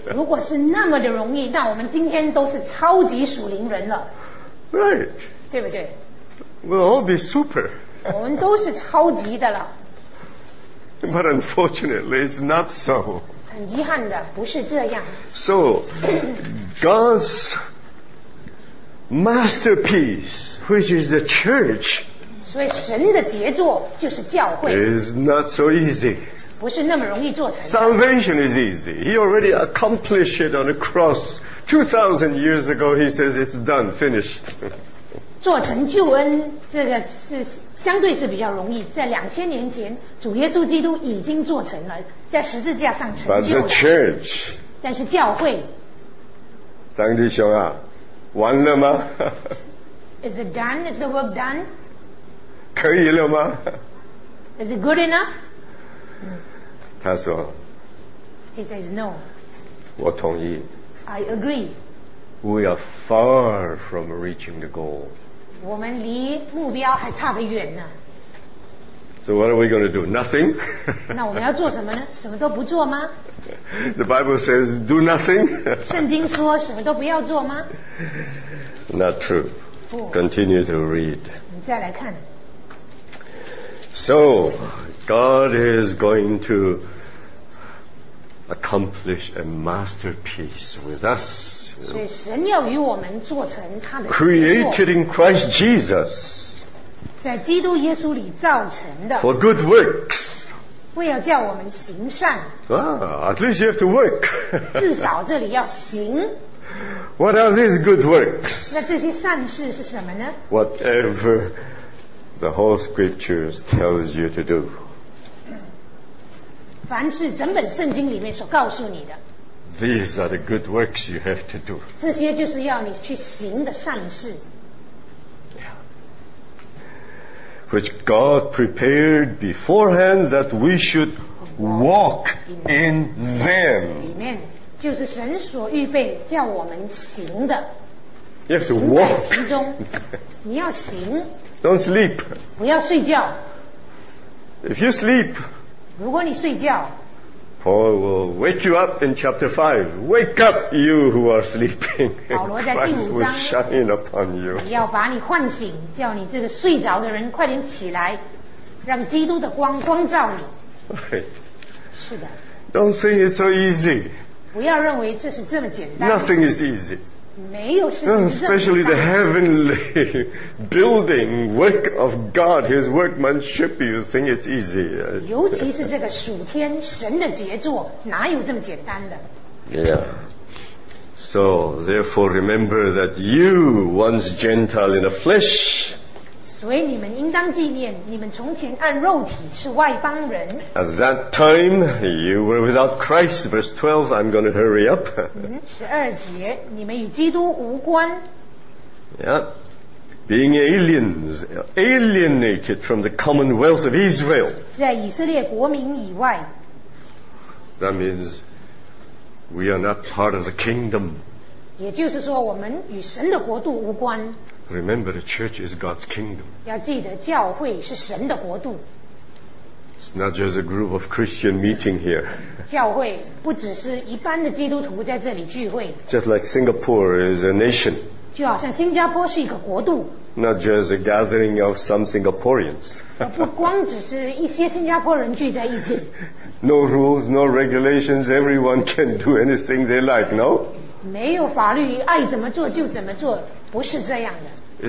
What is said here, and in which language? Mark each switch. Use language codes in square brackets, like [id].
[zh] 如果是那么的容易，那我们今天都是超级属灵人了。 [en] Right. [zh] 对不对？ [en] We'll all be super. [zh] 我们都是超级的了。 [en] But unfortunately, it's not so. [zh] 很遗憾的，不是这样。 [en] So, God'sMasterpiece, which is the church, [zh] 所以神的杰作就是教会 [en] is not so easy. [zh] 不是那么容易做成的。 [en] Salvation is easy. He already accomplished it on the cross 2,000 years ago. He says it's done, finished. [zh] 做成救恩这个是相对是比较容易，在2000年前，主耶稣基督已经做成了，在十字架上成就了。 [en] But the church, [zh] 但是教会，张弟兄啊。完了吗？ [en] Is it done? Is the work done? [zh] 可以了吗？ [en] Is it good enough? [zh] 他说， [en] He says no. [zh] 我同意。 [en] I agree. We are far from reaching the goal. [zh] 我们离目标还差得远呢。 [en] So what are we going to do? Nothing? [zh] 那我们要做什么呢？什么都不做吗？ [en] The Bible says, do nothing. [zh] 圣经说什么都不要做吗？ [en] Not true. Continue to read. [zh] 你再来看。 [en] So, God is going to accomplish a masterpiece with us. [zh] 所以神要与我们做成他的杰作。 [en] Created in Christ Jesus. [zh] 在基督耶稣里造成的。 [en] For good works. [zh] 为要叫我们行善。 [en] Ah, at least you have to work. [zh] 至少这里要行。 [en] What are these good works? [zh] 那这些善事是什么呢？ [en] Whatever the whole scriptures tells you to do. [zh] 凡是整本圣经里面所告诉你的。 [en] These are the good works you have to do. [zh] 这些就是要你去行的善事。 [en] Which God prepared beforehand that we should walk in them. Amen. [zh] 就是神所预备叫我们行的。 [en] You have to walk. [zh] 行在其中。你要行。 [en] Don't sleep. [zh] 不要睡觉。 [en] If you sleep. [zh] 如果你睡觉。 [en] Paul will wake you up in chapter 5. Wake up you who are sleeping. Christ will shine upon you. [zh] 要把你唤醒，叫你这个睡着的人快点起来，让基督的光光照你。是的。 [en] Don't think it's so easy. [zh] 不要认为这是这么简单。 [en] Nothing is easy. [zh] 没有事情这么简单。 [en] Especially the heavenly building work of God, His workmanship, you think it's easy. [zh] 尤其是这个属天神的杰作，哪有这么简单的？ [en] Yeah. So, therefore, remember that you, once Gentile in the flesh, [zh] 所以你们应当纪念，你们从前按肉体是外邦人。 [en] At that time, you were without Christ. Verse 12, I'm going to hurry up. [zh] 12节，你们与基督无关。 [en] Yeah. Being aliens, alienated from the commonwealth of Israel. [zh] 在以色列国民以外。 [en] That means we are not part of the kingdom. [zh] 也就是说，我们与神的国度无关。 [en] Remember, the church is God's kingdom. [zh] 要记得教会是神的国度。 [en] It's not just a group of Christian meeting here. [zh] 教会不只是一般的基督徒在这里聚会。 [en] Just like Singapore is a nation. [zh] 就好像新加坡是一个国度。 [en] not just a gathering of some Singaporeans. [zh] 不光只是一些新加坡人聚在一起。 [en] No rules, no regulations, everyone can do anything they like, no? [zh] 没有法律，爱怎么做就怎么做，不是这样的。